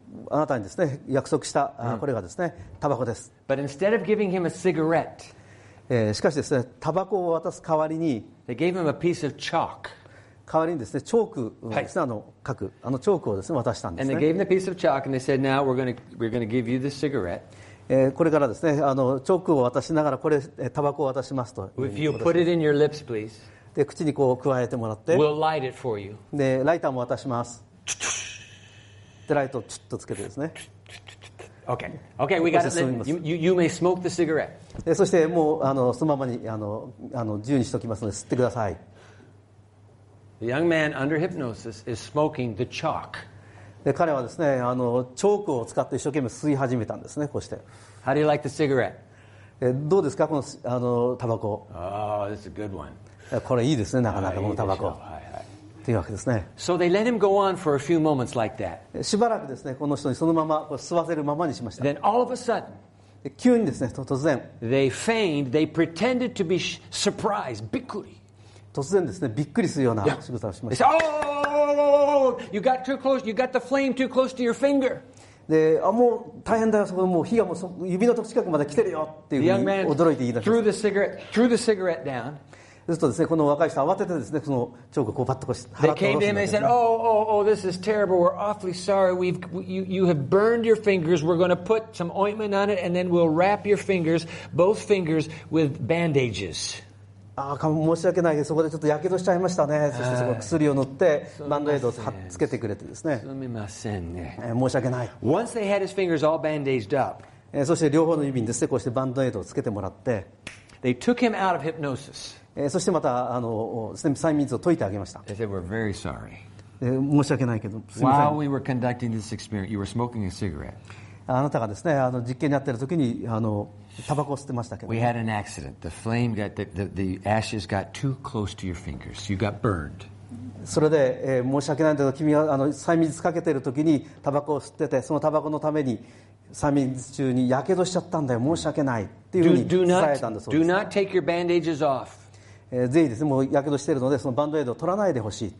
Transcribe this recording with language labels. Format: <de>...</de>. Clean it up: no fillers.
<ja>あなたにですね、約束したこれがですね、タバコです。</ja> <en>But instead of giving him a cigarette,</en> <ja>しかしですね、タバコを渡す代わりに、</ja> <en>they gave him a piece of chalk.</en> <ja>代わりにですね、チョークですね、書くチョークをですね、渡したんですね。</ja> <en>And they gave him a piece of chalk, and they said, "Now we're going to give you this cigarette."</en> <ja>これからですね、チョークを渡しながらこれタバコを渡しますと。</ja> <en>If you put it in your lips, please.</en> <ja>で口にこう加えてもらって、</ja> <en>we'll、light it for you.</en> <ja>でライターも渡しますチュチュでライトをチュッとつけてですね</ja> <en>okay. OK, we got it you may smoke the cigarette</en> <ja>でそしてもうそのままに自由にしておきますので吸ってください</ja> <en>The young man under hypnosis is smoking the chalk.</en> <ja>で彼はですねチョークを使って一生懸命吸い始めたんですねこうして</ja> <en>How do you like the cigarette?</en> <ja>どうですかこのタバコ</ja> <en>Oh, this is a good one.</en> <ja>これいいですねなかなかこのタバコというわけですね。</ja> <en>So they let him go on for a few moments like that.</en> <ja>しばらくですねこの人にそのままこう吸わせるままにしました。</ja> <en>Then all of a sudden,</en> <ja>急にですね突然</ja> <en>they feigned, they pretended to be surprised,</en> <ja>びっくり。突然ですねびっくりするような仕草をしました。</ja> <en>Oh, you got too close, you got the flame too close to your finger.</en> <ja>でもう大変だよそこもう火がもう指の近くまで来てるよっていうふうに驚いて言い出しました。</ja> <en>Threw the cigarette, down.</en> <ja>するとですね、この若い人慌ててですね、そのチョークをこうパッとこうして、</ja> <en>They came to him and said, Oh, this is terrible. We're awfully sorry. You have burned your fingers. We're going to put some ointment on it, and then we'll wrap your fingers, both fingers, with bandages.</en> <ja>ああ、申し訳ないです。そこでちょっとやけどしちゃいましたね。そしてその薬を塗ってバンドエイドをつけてくれてですね。すみませんね。申し訳ない。</ja> <en>Once they had his fingers all bandaged up,</en> <ja>そして両方の指にですね、こうしてバンドエイドをつけてもらって、</ja> <en>They took him out of hypnosis.</en> <ja>そしてまた催眠術を解いてあげました。</ja> <en>They said, we're very sorry.</en> <ja>申し訳ないけど、</ja> <en>While we were conducting this experiment, you were smoking a cigarette.</en> <ja>あなたがですね、実験にあっているときにタバコを吸ってましたけど。</ja> <en>We had an accident. The flame got the ashes got too close to your fingers. You got burned.</en> <ja>それで、申し訳ないんだけど、君は催眠術かけているときにタバコを吸ってて、そのタバコのために催眠術中に火傷しちゃったんだよ。申し訳ないっていうふうに伝えたんだそうです。</ja> <en>Do not take your bandages off.</en> <ja>ぜひですね、もう火傷しているので、そのバンドエイドを取らないでほしい。</ja>